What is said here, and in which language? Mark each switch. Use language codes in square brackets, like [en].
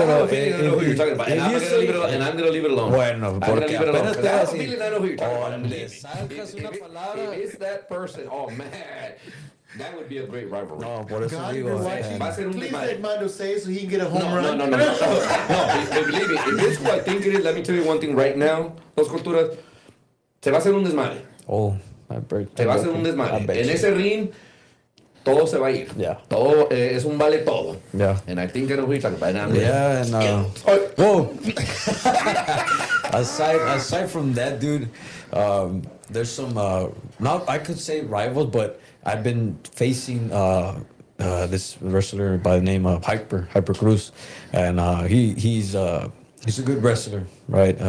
[en] I have a feeling I know who you're talking about. And I'm going to leave it alone. Bueno, I'm going to leave it alone. I have a feeling I know who you're talking about. If it's that person, oh man. That would be a great rivalry. [es] No, por eso [en] God, [es] digo, [en] please let Mondo say it so he can get a home run. No. No, believe me, if this is what I think it is, let me tell you one thing right now. [es] Los Culturas, se va a hacer un desmadre. [en] Oh, my bird. [es] Se va a hacer un desmadre. En ese ring, todo se va a ir. [en] Yeah. [es] Todo, es un vale todo. [en] Yeah. And I think it'll be talking about it. Yeah, and whoa. aside from that, dude, there's some, not I could say rivals, but I've been facing this wrestler by the name of Hyper Cruz, and he's a good wrestler, right?